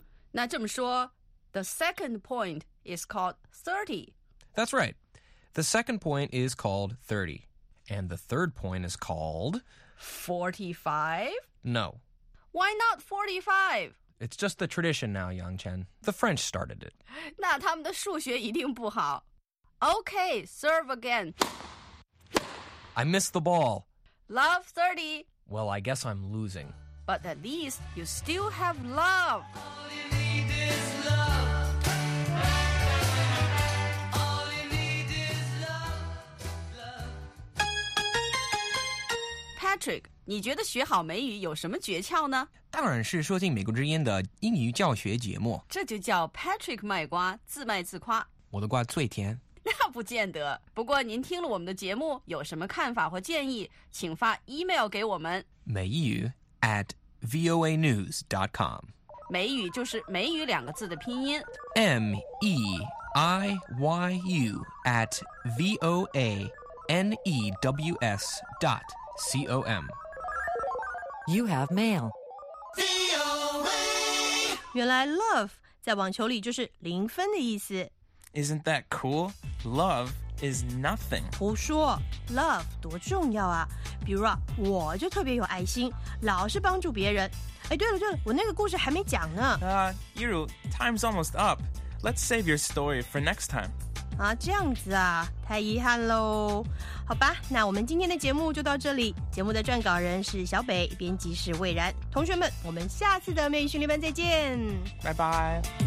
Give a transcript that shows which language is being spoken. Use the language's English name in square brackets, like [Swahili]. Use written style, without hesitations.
[Chinese] 那这么说 [English] the second point is called 30. That's right. The second point is called 30. And the third point is called... 45? No. Why not 45? It's just the tradition now, Yang Chen. The French started it. [Chinese] 那他们的数学一定不好。 [English] Okay, serve again. I missed the ball. Love 30. Well, I guess I'm losing. But at least you still have love. All you need is love. All you need is love. [Chinese] Patrick, 你觉得学好美语有什么诀窍呢？当然是收听美国之音的英语教学节目。这就叫 Patrick 卖瓜，自卖自夸。我的瓜最甜。那不见得。不过您听了我们的节目，有什么看法或建议，请发 email 给我们。美语at voanews.com 美语就是美语两个字的拼音 [English] M-E-I-Y-U at voanews.com You have mail V-O-A [Chinese] 原来 love 在网球里就是零分的意思 [English] Isn't that cool? Love is nothing [Chinese] 胡说 love 多重要啊比如啊我就特别有爱心老是帮助别人哎对了对了我那个故事还没讲呢 [English] Yiru, time's almost up Let's save your story for next time [Chinese] 啊这样子啊太遗憾咯好吧那我们今天的节目就到这里节目的撰稿人是小北编辑是蔚然同学们我们下次的美语训练班再见拜拜